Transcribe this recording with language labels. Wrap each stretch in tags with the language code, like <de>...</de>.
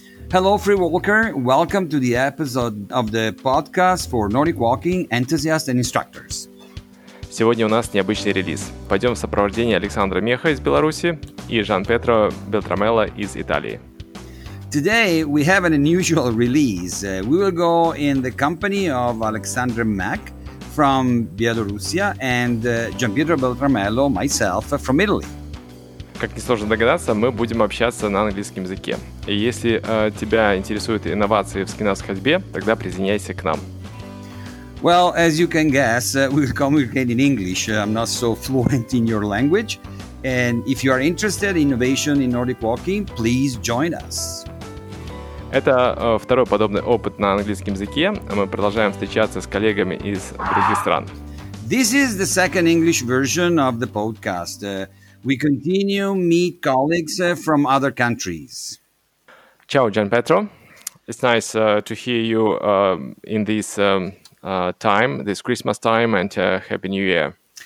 <en>Hello, Freewalker. Welcome to the episode of the podcast for Nordic Walking enthusiasts and instructors.</en> <ru>Сегодня у нас необычный релиз. Пойдем в сопровождении Александра Меха из Беларуси и Жан-Петро Белтрамелло из Италии.</ru> <en>Today we have an unusual release. We will go in the company of Alexander Mack from Bielorussia and Gianpietro Beltramello, myself, from Italy.</en> <ru>Как несложно догадаться, мы будем общаться на английском языке. И если тебя интересуют инновации в скандинавской ходьбе, тогда присоединяйся к нам.</ru> <en>Well, as you can guess, we'll communicate in English. I'm not so fluent in your language. And if you are interested in innovation in Nordic walking, please join us.</en> <ru>Это второй подобный опыт на английском языке. Мы продолжаем встречаться с коллегами из других стран.</ru> <en>This is the second English version of the podcast. We continue meet colleagues from other countries. Ciao, Gianpietro. It's nice to hear you in this time, this Christmas time, and Happy New Year.</en>